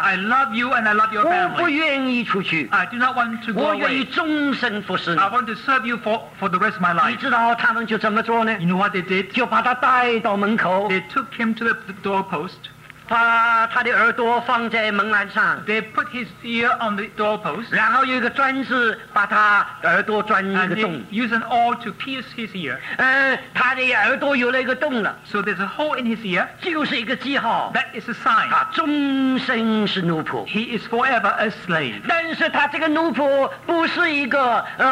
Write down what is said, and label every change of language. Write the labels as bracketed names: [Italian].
[English] I love you and I love your family [Chinese] 我不愿意出去 [English] I do not want to go away [Chinese] 我愿意终身服侍你 [English] I want to serve you for the rest of my life [Chinese] 你知道他们就怎么做呢 [English] You know what they did [Chinese] 就把他带到门口 [English] They took him to the doorpost [Chinese] 把他的耳朵放在门栏上, [English] they put his ear on the doorpost, [Chinese] 然后有一个专制把他耳朵钻一个洞, [English] and they use an awl to pierce his ear. [Chinese] 他的耳朵有了一个洞了, [English] so there's a hole in his ear, [Chinese] 就是一个记号, [English] that is a sign. [Chinese] 他终身是奴仆, [English] he is forever a slave. [Chinese] 但是他这个奴仆不是一个,